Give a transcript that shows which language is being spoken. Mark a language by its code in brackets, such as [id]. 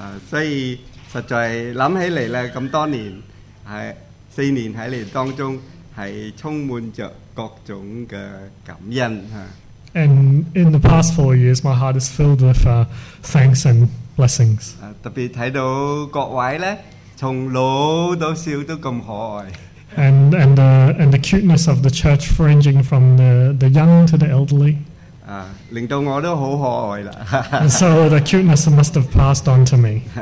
[yue] 所以實在諗起嚟咧，咁多年係四年喺你當中係充滿著各種嘅感恩嚇。 [en] And in the past 4 years, my heart is filled with thanks and blessings. [yue] 特別睇到各位咧，從老到少都咁可愛。 [en] And the cuteness of the church, ranging from the young to the elderly. [yue] 令到我都好可愛啦。 [en] And so the cuteness must have passed on to me.